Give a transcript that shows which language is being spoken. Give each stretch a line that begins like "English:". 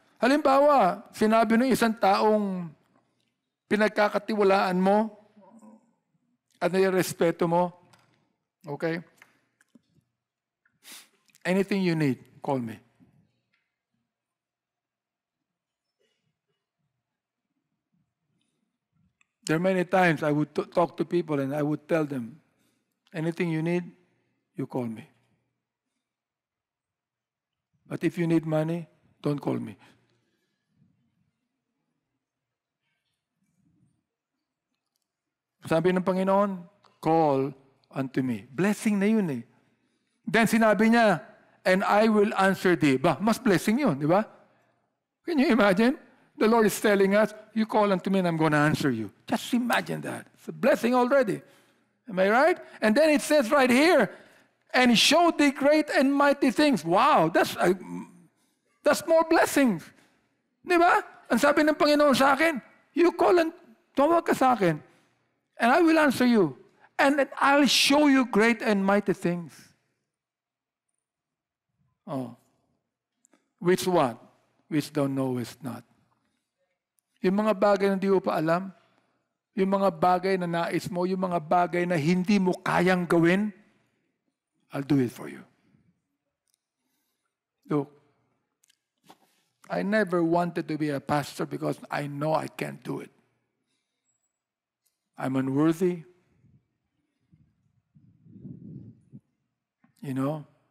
Filipino: Halimbawa, sinabi ng isang taong pinagkakatiwalaan mo, ano yung respeto mo, okay?
English: Anything you need, call me. There are many times I would talk to people and I would tell them, anything you need, you call me. But if you need money, don't call me.
Filipino: Sabi ng Panginoon,
English: call unto me.
Filipino: Blessing na yun eh.
English: Then
Filipino: sinabi niya,
English: and I will answer thee.
Filipino: Bah, mas blessing yun, di ba?
English: Can you imagine? The Lord is telling us, you call unto me and I'm going to answer you. Just imagine that. It's a blessing already. Am I right? And then it says right here, and show thee great and mighty things. Wow, that's more blessings.
Filipino: Di ba? Ang sabi ng Panginoon sa akin,
English: you call and
Filipino: tawag ka sa akin.
English: And I will answer you. And I'll show you great and mighty things. Oh. Which what? Which thou knowest not.
Filipino: Yung mga bagay na hindi mo pa alam, yung mga bagay na nais mo, yung mga bagay na hindi mo kayang gawin,
English: I'll do it for you. Look, I never wanted to be a pastor because I know I can't do it. I'm unworthy. You know?